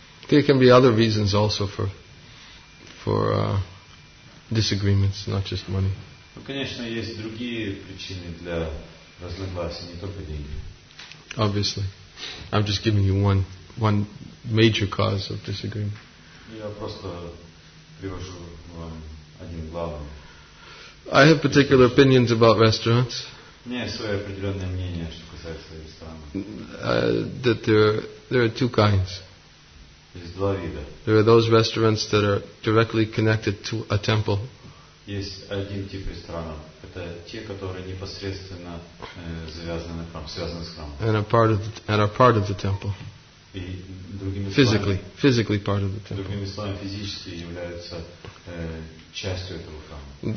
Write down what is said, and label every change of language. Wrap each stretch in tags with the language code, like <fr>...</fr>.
<en>There can be other reasons also for disagreements, not just money.</en> <ru>Ну, конечно, есть другие причины для разногласий, не только деньги.</ru> <en>Obviously. I'm just giving you one major cause of disagreement.</en> <ru>Я просто привожу вам один главный.</ru> <en>I have particular opinions about restaurants.</en> <ru>Мне свое определенное мнение, что касается ресторанов.</ru> <en>That there are two kinds. There are those restaurants that are directly connected to a temple.</en> <ru>Есть один тип ресторанов. Это те, которые непосредственно связаны с храмом.</ru> <en>And are part of the temple.</en> <ru>И другими словами,</ru> <en>physically part of the temple.</en> <ru>Другими словами, физически являются частью этого храма.</ru>